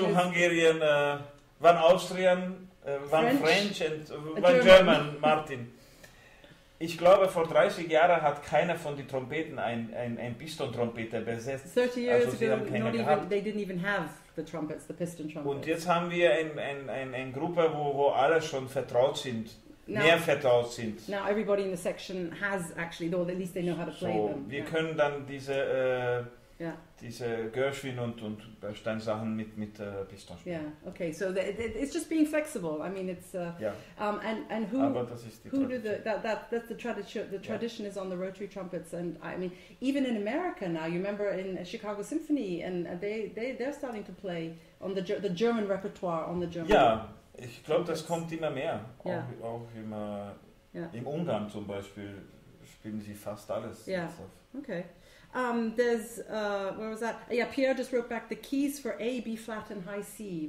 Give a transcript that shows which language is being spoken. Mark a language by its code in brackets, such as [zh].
[en] Two Hungarian, one Austrian, one French and one German, Martin. [de] Ich glaube, vor 30 Jahren hat keiner von den Trompeten ein Piston-Trompete besetzt. [en] 30 years also, ago, not even, they didn't even have the trumpets, the piston trumpets. [de] Und jetzt haben wir ein Gruppe, wo alle schon vertraut sind. [en] Now everybody in the section has actually, or at least they know how to play so, them. [de] Wir können dann diese Gershwin und Bernstein Sachen mit Piston spielen. [en] Yeah, okay, so it's just being flexible. I mean, it's... And who... [de] Aber das ist die [en] who do the, that's the tradition. The tradition is on the rotary trumpets. And I mean, even in America now, you remember in Chicago Symphony, and they're starting to play on the German repertoire, on the German... [de] Yeah. Ich glaube, das kommt immer mehr. Auch im Ungarn zum Beispiel spielen sie fast alles. [en] Yeah. Okay. There's where was that? Yeah, Pierre just wrote back the keys for A, B flat, and high C.